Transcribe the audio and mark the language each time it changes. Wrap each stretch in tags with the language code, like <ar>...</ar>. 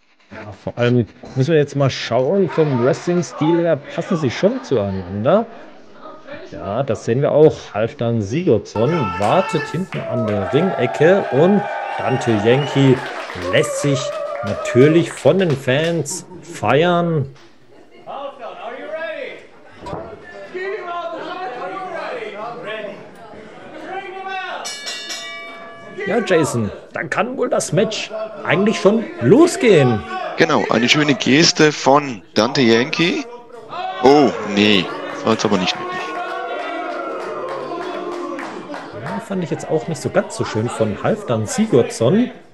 <de>Ja, vor allem müssen wir jetzt mal schauen, vom Wrestling-Stil her passen sie schon zueinander. Ja, das sehen wir auch. Halfdan Sigurdsson wartet hinten an der Ringecke und Dante Yankee lässt sich natürlich von den Fans feiern.</de> <en>Halfdan, are you ready? Give him all the time, are you ready? I'm ready. Bring him out!</en> <de>Ja, Jason, dann kann wohl das Match eigentlich schon losgehen. Genau, eine schöne Geste von Dante Yankee. Oh, nee, das war jetzt aber nicht nötig. Fand ich jetzt auch nicht so ganz so schön von Halfdan Sigurdsson.</de>